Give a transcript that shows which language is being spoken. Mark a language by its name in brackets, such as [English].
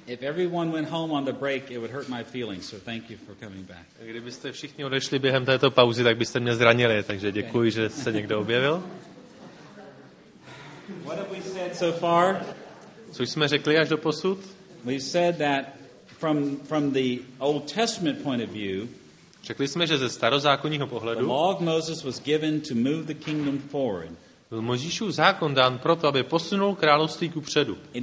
[English] If everyone went home on the break, it would hurt my feelings, so thank you for coming back. [Czech] Kdybyste všichni odešli během této pauzy, tak byste mě zranili, takže děkuji, okay. Že se někdo objevil. [English] What have we said so far? [Czech] Co jsme řekli až doposud? [English] We said that from the Old Testament point of view, [Czech] řekli jsme, že ze starozákonního pohledu, [English] the law of Moses was given to move the kingdom forward. [Czech] Byl Mojžíšův zákon dán proto, aby posunul království kupředu.